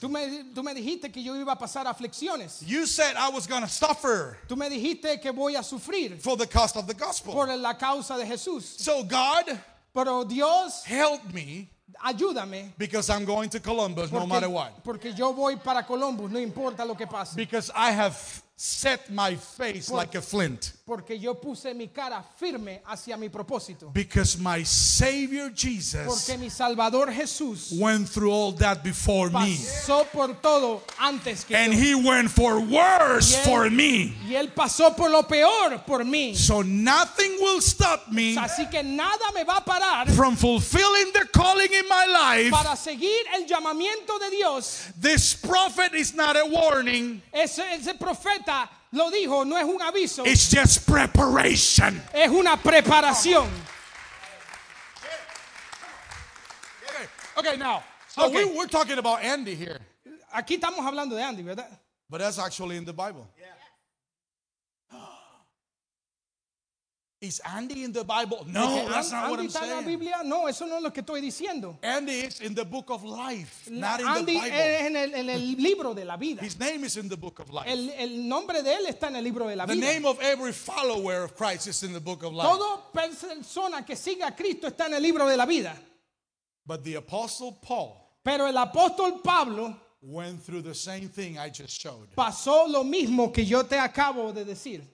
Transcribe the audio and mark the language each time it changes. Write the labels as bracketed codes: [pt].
[es] Tú me dijiste que yo iba a pasar aflicciones. [en] You said I was going to suffer. [es] Tú me dijiste que voy a sufrir. [en] For the cost of the gospel. [es] Por la causa de Jesús. [en] So God. [es] Pero Dios. [en] Help me. [es] Ayúdame. [en] Because I'm going to Columbus, [es] porque, [en] no matter what. [es] Porque yo voy para Columbus, no importa lo que pase. [en] Because I have set my face like a flint. [es] Porque yo puse mi cara firme hacia mi propósito. [en] Because my Savior Jesus. [es] Porque mi Salvador Jesús. [en] Went through all that before [es] pasó [en] me. [es] Pasó por todo antes que. [en] And [es] yo. [en] He went for worse for me. [es] Y él pasó por lo peor por mí. [en] So nothing will stop me. [es] Así que nada me va a parar. [en] From fulfilling the calling in my life. [es] Para seguir el llamamiento de Dios. [en] This prophet is not a warning. [es] Ese profeta. Lo dijo, no es un aviso. [en] It's just preparation. [es] Es una preparación. [en] Okay, now. So okay. We're talking about Andy here. [es] Aquí estamos hablando de Andy, ¿verdad? [en] But that's actually in the Bible. Yeah. Is Andy in the Bible? No, that's not Andy what I'm [es] está [en] saying. [es] En la Biblia? No, eso no es lo que estoy diciendo. [en] Andy is in the book of life, not Andy in the Bible. [es] Andy es en el libro de la vida. [en] His name is in the book of life. [es] El nombre de él está en el libro de la vida. [en] The name of every follower of Christ is in the book of life. [es] Todo persona que siga a Cristo está en el libro de la vida. [en] But the apostle Paul. [es] Pero el apóstol Pablo [en] went through the same thing I just showed. [es] Pasó lo mismo que yo te acabo de decir.